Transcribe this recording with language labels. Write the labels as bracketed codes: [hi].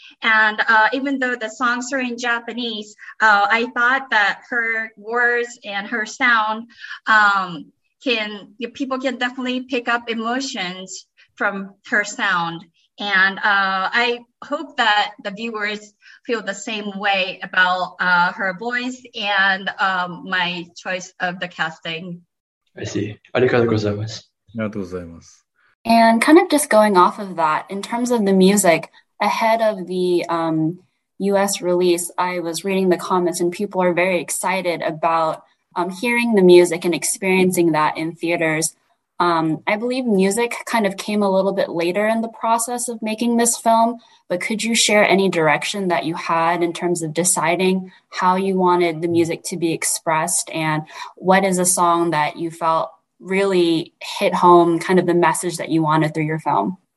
[en] And even though the songs are in Japanese, I thought that her words and her sound people can definitely pick up emotions from her sound. And I hope that the viewers feel the same way about her voice and my choice of the casting. I see. [ja] ありがとうございます。ありがとうございます。 [en] And kind of just going off of that, in terms of the music, ahead of the US release, I was reading the comments and people are very excited about hearing the music and experiencing that in theaters. I believe music kind of came a little bit later in the process of making this film, but could you share any direction that you had in terms of deciding how you wanted the music to be expressed and what is a song that you felt really hit home, kind of the message that you wanted through your film?